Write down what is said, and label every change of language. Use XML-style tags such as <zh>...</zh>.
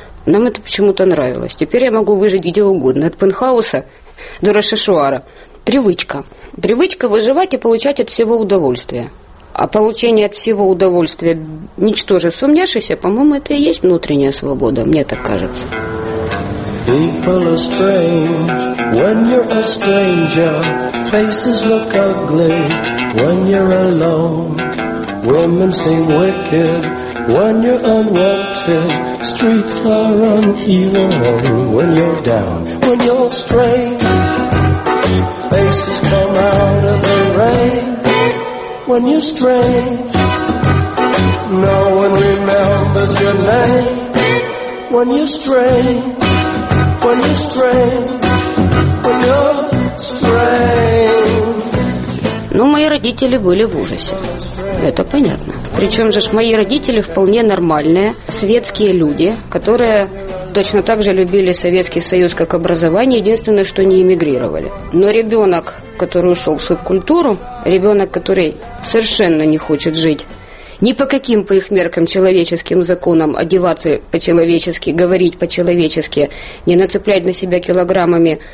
<ru>Нам это почему-то нравилось. Теперь я могу выжить где угодно, от пентхауса до Рошашуара. Привычка. Привычка выживать и получать от всего удовольствия. А получение от всего удовольствия, ничтоже сумнявшись, по-моему, это и есть внутренняя свобода, мне так кажется.</ru> <en>People are strange when you're a stranger. Faces look ugly when you're alone. Women seem wicked when you're unwanted. Streets are uneven when you're down. When you're strange, faces come out of the rain. When you're strange, no one remembers your name. When you're strange. When you're strange, when you're strange.</en> <ru>Ну, мои родители были в ужасе. Это понятно. Причем же ж мои родители вполне нормальные, светские люди, которые точно так же любили Советский Союз как образование, единственное, что не эмигрировали. Но ребенок, который ушел в субкультуру, ребенок, который совершенно не хочет жить ни по каким, по их меркам, человеческим законам, одеваться по-человечески, говорить по-человечески, не нацеплять на себя килограммами.</ru>